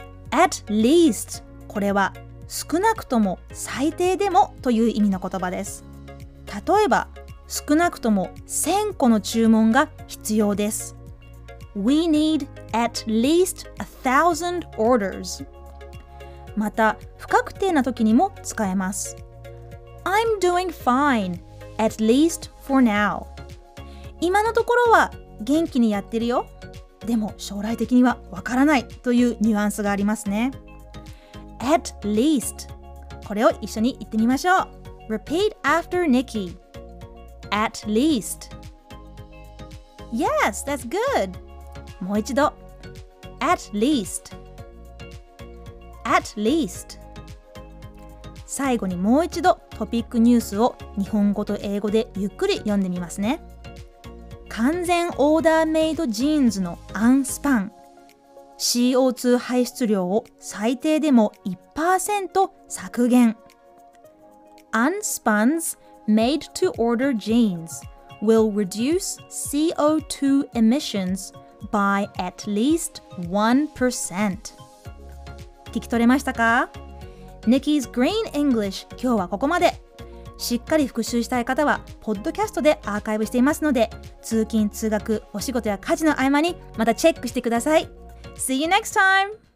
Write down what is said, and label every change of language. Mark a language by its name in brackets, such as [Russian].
[Japanese] At least、 これは少なくとも最低でもという意味の言葉です。例えば少なくとも1000個の注文が必要です。 [English] We need at least 1000 orders。 [Japanese] また不確定な時にも使えます。 [English] I'm doing fine at least for now。 [Japanese] 今のところは元気にやってるよ、でも将来的にはわからないというニュアンスがありますね。 At least、 これを一緒に言ってみましょう。 [English] Repeat after Nikki。 At least。 Yes, that's good。もう一度。 At least。 At least。 [Japanese] 最後にもう一度トピックニュースを日本語と英語でゆっくり読んでみますね。完全オーダーメイドジーンズのアンスパン、 CO2 排出量を最低でも 1% 削減。 [English] Unspun's made-to-order jeans will reduce CO2 emissions by at least 1%。 [Japanese] 聞き取れましたか？ Nikki's Green English、 今日はここまで。しっかり復習したい方はポッドキャストでアーカイブしていますので、通勤通学お仕事や家事の合間にまたチェックしてください。 See you next time!